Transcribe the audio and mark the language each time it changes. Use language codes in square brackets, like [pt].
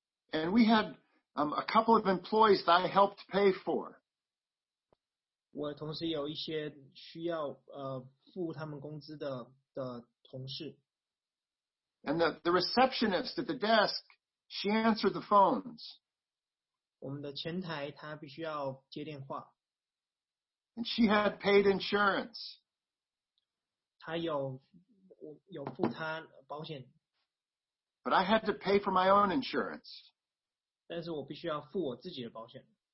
[en] And we had a couple of employees that I helped pay for. [zh] 我同时有一些需要付他们工资的同事。 [en] And the receptionist at the desk, she answered the phones. [zh] 我们的前台她必须要接电话。 [en] And she had paid insurance. [zh] 她有付她保险。 [en] But I had to pay for my own insurance. [zh] 但是我必须要付我自己的保险。